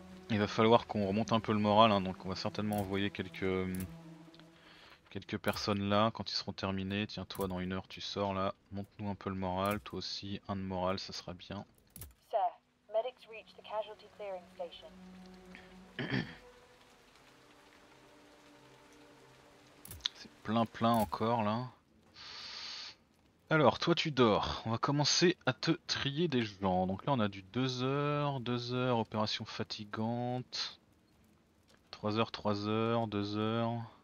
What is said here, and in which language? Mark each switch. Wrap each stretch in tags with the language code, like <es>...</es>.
<fr>Il va falloir qu'on remonte un peu le moral, hein, donc on va certainement envoyer quelques personnes là quand ils seront terminés. Tiens, toi, dans une heure, tu sors là, monte-nous un peu le moral, toi aussi, un de moral, ça sera bien.</fr> <en>Sir, medics reached the casualty clearing station.</en> <fr>C'est plein plein encore là. Alors toi tu dors. On va commencer à te trier des gens. Donc là on a du 2h, 2h, opération fatigante. 3h, 3h, 2h.</fr>